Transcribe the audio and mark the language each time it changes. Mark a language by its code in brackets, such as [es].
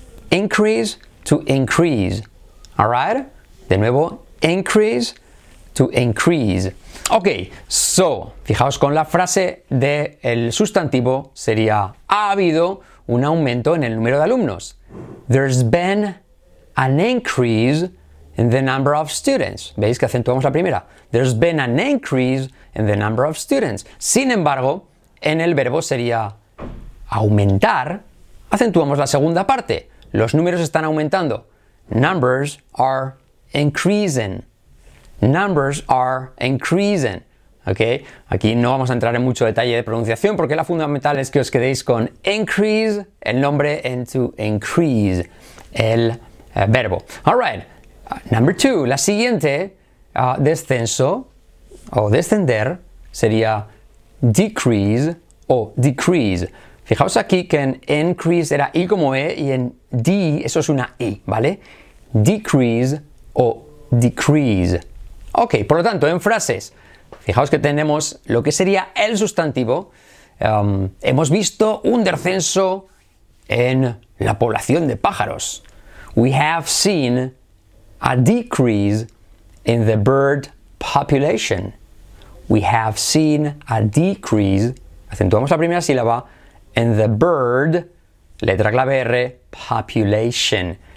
[en] Increase, to increase. Alright? [es] De nuevo, [en] increase, to increase. [es] Ok, so, fijaos con la frase del sustantivo, sería ha habido un aumento en el número de alumnos. [en] There's been an increase in the number of students. [es] ¿Veis que acentuamos la primera? [en] There's been an increase in the number of students. [es] Sin embargo, en el verbo sería aumentar, acentuamos la segunda parte. Los números están aumentando. [en] Numbers are increasing. Numbers are increasing. [es] ¿Ok? Aquí no vamos a entrar en mucho detalle de pronunciación porque la fundamental es que os quedéis con increase, el nombre, [en] and to increase, [es] el verbo. Alright, number two, la siguiente, descenso o descender sería decrease o decrease. Fijaos aquí que en increase era I como E y en D eso es una I, ¿vale? Decrease o decrease. Ok, por lo tanto, en frases, fijaos que tenemos lo que sería el sustantivo. Hemos visto un descenso en la población de pájaros. [en] We have seen a decrease in the bird population. We have seen a decrease, [es] acentuamos la primera sílaba, [en] in the bird, [es] letra clave R, [en] population.